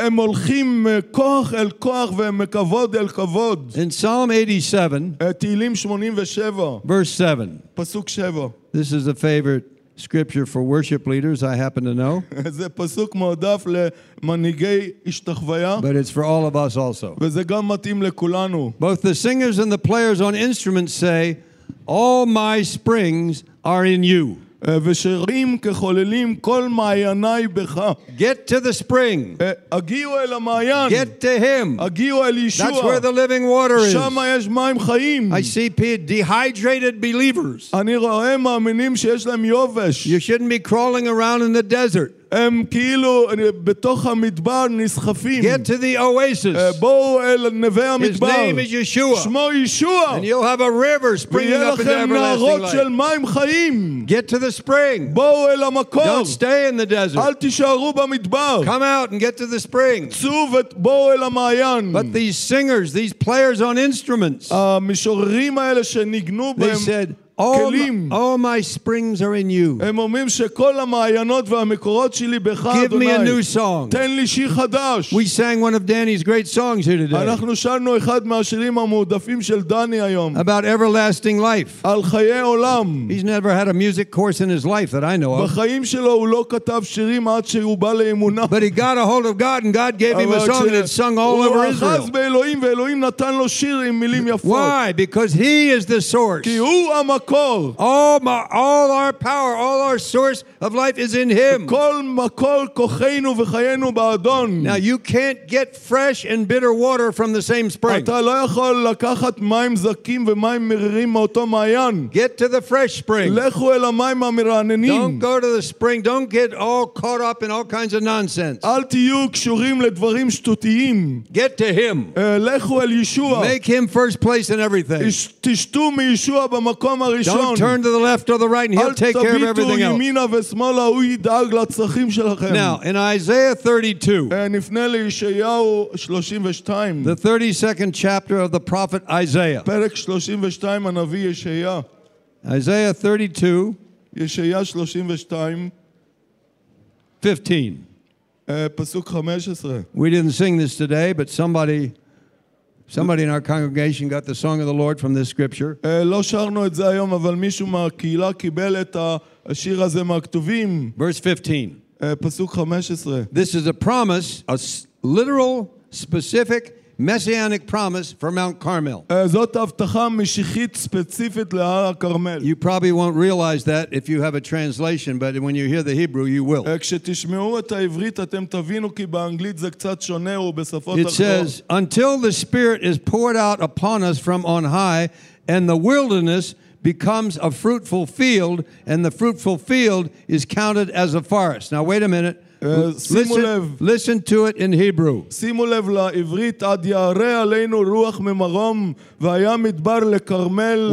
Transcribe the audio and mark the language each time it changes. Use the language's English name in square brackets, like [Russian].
[Hebrew] הם הולכים כוח אל כוח ומכבוד אל כבוד. [English] In Psalm 87, [Hebrew] תהילים 87, [English] verse 7, [Hebrew] פסוק 7, [English] this is a favorite scripture for worship leaders, I happen to know. [Hebrew] זה פסוק מועדף למנהיגי השתחוויה. [English] But it's for all of us also. [Hebrew] וזה גם מתאים לכולנו. [English] Both the singers and the players on instruments say, all my springs are in you. [Hebrew] ושרים כחוללים כל מעייני בך. [English] Get to the spring. [Hebrew] הגיעו אל המעיין. [English] Get to him. [Hebrew] הגיעו אל ישוע. [English] That's where the living water is. [Hebrew] שם יש מים חיים. [English] I see dehydrated believers. [Hebrew] אני רואה מאמינים שיש להם יובש. [English] You shouldn't be crawling around in the desert. [Hebrew] הם כאילו בתוך המדבר נסחפים. [English] Get to the oasis. [Hebrew] בואו אל נווה המדבר. [English] His name is Yeshua. [Hebrew] שמו ישוע. [English] And you'll have a river springing up in everlasting life. [Hebrew] ויהיה לכם נהרות של מים חיים. [English] Get to the spring. [Hebrew] בואו אל המקור. [English] Don't stay in the desert. [Hebrew] אל תישארו במדבר. [English] Come out and get to the spring. [Hebrew] צאו ובואו אל המעיין. [English] But these singers, these players on instruments, [Hebrew] המשוררים האלה שניגנו בהם, [English] they said, All my springs are in you. [Hebrew] הם אומרים שכל המעיינות והמקורות שלי בך, אדוני. [English] Give me a new song. [Hebrew] תן לי שיר חדש. [English] We sang one of Danny's great songs here today. [Hebrew] אנחנו שרנו אחד מהשירים המועדפים של דני היום. [English] About everlasting life. [Hebrew] על חיי עולם. [English] He's never had a music course in his life that I know of. [Hebrew] בחיים שלו הוא לא כתב שירים עד שהוא בא לאמונה. [English] But he got a hold of God and God gave him a song and it's sung all over Israel. [Hebrew] הוא אחז באלוהים ואלוהים נתן לו שיר עם מילים יפות. [English] Why? Because he is the source. [Hebrew] כי הוא המקור. [English] All our power, all our source of life is in him. [Hebrew] כל מקור כוחנו וחיינו באדון. [English] Now you can't get fresh and bitter water from the same spring. [Hebrew] אתה לא יכול לקחת מים זכים ומים מרירים מאותו מעיין. [English] Get to the fresh spring. [Hebrew] לכו אל המים המרעננים. [English] Don't go to the spring. Don't get all caught up in all kinds of nonsense. [Hebrew] אל תהיו קשורים לדברים שטותיים. [English] Get to him. [Hebrew] לכו אל ישוע. [English] Make him first place in everything. [Hebrew] תשתו מישוע במקום [English] Don't turn to the left or the right and he'll take care of everything else. [Hebrew] ימינה ושמאלה, הוא ידאג לצרכים שלכם. [English] Now, in Isaiah 32, [Hebrew] נפנה לישעיהו 32, [English] the 32nd chapter of the prophet Isaiah. [Hebrew] פרק 32, הנביא ישעיה. [English] Isaiah 32, [Hebrew] ישעיה 32, [English] 15. [Hebrew] פסוק 15. [English] We didn't sing this today, but somebody in our congregation got the song of the Lord from this scripture. [Hebrew] לא שרנו את זה היום, אבל מישהו מהקהילה קיבל את השיר הזה מהכתובים. [English] Verse 15. [Hebrew] פסוק 15. [English] This is a promise, a literal, specific, messianic promise for Mount Carmel. You probably won't realize that if you have a translation, but when you hear the Hebrew, you will. It says, until the Spirit is poured out upon us from on high, and the wilderness becomes a fruitful field, and the fruitful field is counted as a forest. Now, wait a minute. Listen to it in Hebrew. [Hebrew] שימו לב לעברית, עד יערה עלינו רוח ממרום, והיה מדבר לקרמל.